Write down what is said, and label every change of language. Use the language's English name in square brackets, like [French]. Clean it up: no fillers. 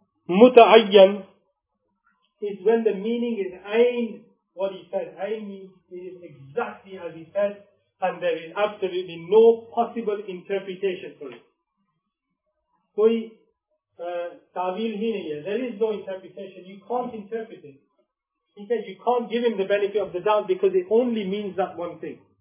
[English] Mutayyan is when the meaning is ayn, what he said. Ayn means it is exactly as he said. And there is absolutely no possible interpretation for it. [Urdu] کوئی تعویل ہی نہیں ہے. [English] There is no interpretation. You can't interpret it. He said you can't give him the benefit of the doubt because it only means that one thing.